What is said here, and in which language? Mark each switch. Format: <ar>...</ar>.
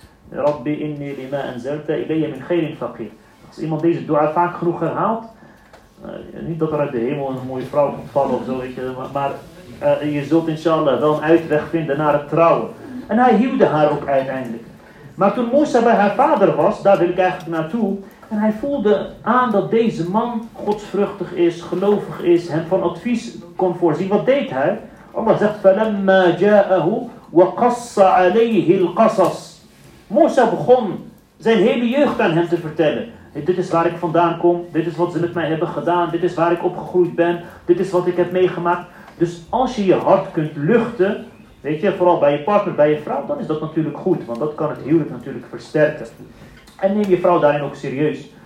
<nl>Rabbi inni lima anzalta ilayya min khairin faqir. Als iemand deze dua vaak genoeg herhaalt, niet dat er uit de hemel een mooie vrouw komt vallen of zo, weet je, maar je zult inshallah wel een uitweg vinden naar het trouwen. En hij hielde haar ook uiteindelijk. Maar toen Moshe bij haar vader was, daar wil ik eigenlijk naartoe, en hij voelde aan dat deze man godsvruchtig is, gelovig is, hem van advies kon voorzien. Wat deed hij? Allah zegt,</nl> <ar>فَلَمَّا جَاءَهُ وَقَصَّ عَلَيْهِ الْقَصَصِ.</ar> <nl>Moshe begon zijn hele jeugd aan hem te vertellen. Dit is waar ik vandaan kom. Dit is wat ze met mij hebben gedaan. Dit is waar ik opgegroeid ben. Dit is wat ik heb meegemaakt. Dus als je je hart kunt luchten, weet je, vooral bij je partner, bij je vrouw, dan is dat natuurlijk goed. Want dat kan het huwelijk natuurlijk versterken. En neem je vrouw daarin ook serieus.</nl>